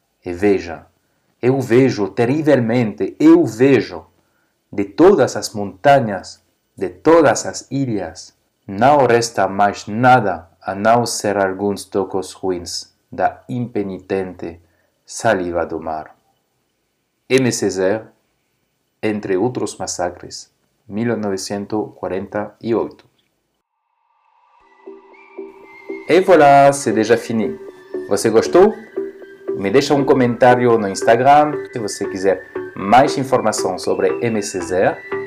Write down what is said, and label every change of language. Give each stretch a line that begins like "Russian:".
Portuguese: E veja, eu vejo terrivelmente, eu vejo, de todas as montanhas, de todas as ilhas, não resta mais nada a não ser alguns tocos ruins da impenitente saliva do mar.
French: Aimé Césaire, Entre Outros Massacres, 1948.
Portuguese: E
French: voilà, c'est déjà fini.
Portuguese: Você gostou? Me deixa comentário no Instagram se você quiser mais informação sobre Aimé Césaire.